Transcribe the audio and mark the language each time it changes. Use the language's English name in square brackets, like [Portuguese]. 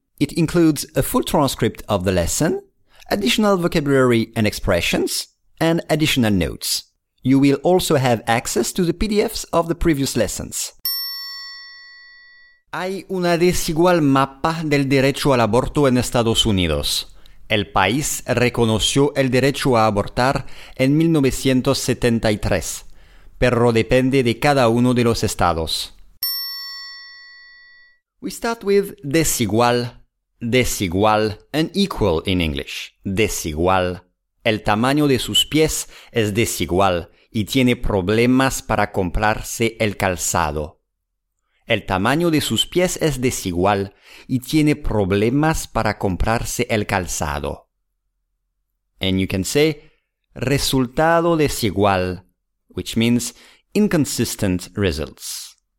[English] It includes a full transcript of the lesson, additional vocabulary and expressions, and additional notes. You will also have access to the PDFs of the previous lessons. [Spanish] Hay una desigual mapa del derecho al aborto en Estados Unidos. El país reconoció el derecho a abortar en 1973, pero depende de cada uno de los estados. [English] We start with desigual, desigual, and equal in English. [Spanish] Desigual. El tamaño de sus pies es desigual y tiene problemas para comprarse el calzado. El tamaño de sus pies es desigual y tiene problemas para comprarse el calzado. [English] And you can say, [Spanish] resultado desigual, [English] which means inconsistent results.